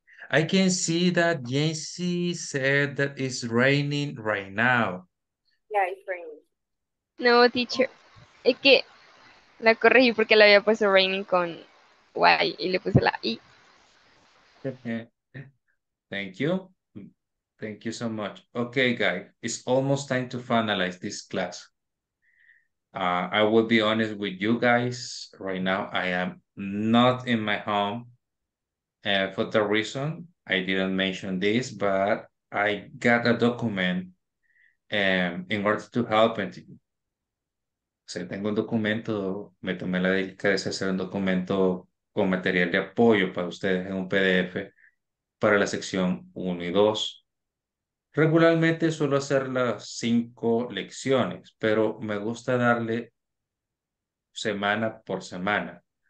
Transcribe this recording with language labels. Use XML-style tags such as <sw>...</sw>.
<en>I can see that Jancy said that it's raining right now. Yeah, it's raining. No, teacher.</en> <es>Es que la corregí porque le había puesto raining con Y y le puse la I.</es> <en>Thank you. Thank you so much. Okay, guys. It's almost time to finalize this class. I will be honest with you guys. Right now, I am not in my home. For the reason, I didn't mention this, but I got a document in order to help.</en> <es>Tengo un documento, me tomé la delicadeza de hacer un documento con material de apoyo para ustedes en un PDF para la sección 1 y 2. Regularmente suelo hacer las 5 lecciones, pero me gusta darle semana por semana.</es>